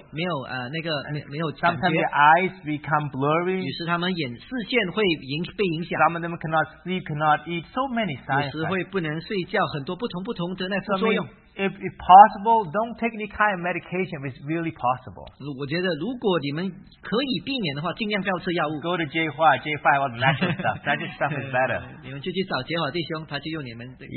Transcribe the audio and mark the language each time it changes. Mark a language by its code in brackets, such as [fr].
[zh] 那有些人吃了药,他们半脸会没有感觉。 [en] Sometimes their eyes become blurry. [zh] 于是他们眼视线会被影响。 [en] Some of them cannot sleep, cannot eat, so many signs. [zh] 有时会不能睡觉,很多不同的副作用。 [en] If possible, don't take any kind of medication if it's really possible. [zh] 我觉得如果你们可以避免的话，尽量不要吃药物。 [en] Go to Jay Hua, Jay Hua, all the natural stuff. That stuff is better. [zh] 你们就去找杰华弟兄，他就用你们的。